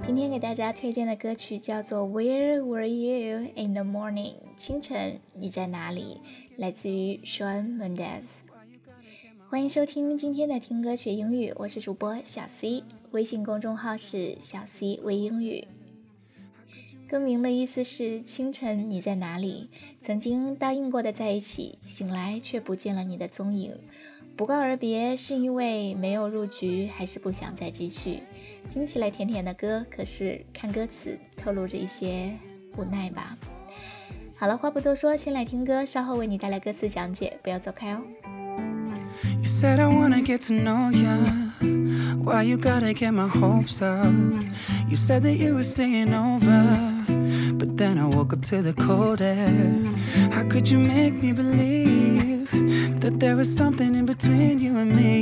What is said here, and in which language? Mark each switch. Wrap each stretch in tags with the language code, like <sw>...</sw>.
<zh>给大家推荐的歌曲叫做 Where Were You in the Morning? 清晨你在哪里？来自于 Shawn Mendes。欢迎收听今天的听歌学英语，我是主播小 C， 微信公众号是小 C 微英语。歌名的意思是清晨你在哪里，曾经答应过的在一起，醒来却不见了你的踪影，不告而别是因为没有入局，还是不想再继续。听起来甜甜的歌，可是看歌词透露着一些无奈吧。好了，话不多说，先来听歌，稍后为你带来歌词讲解，不要走开哦。</zh> <en>You said I wanna get to know ya. Why you gotta get my hopes up? You said that you were staying over. But then I woke up to the cold air. How could you make me believe that there was something in between you and me?</en>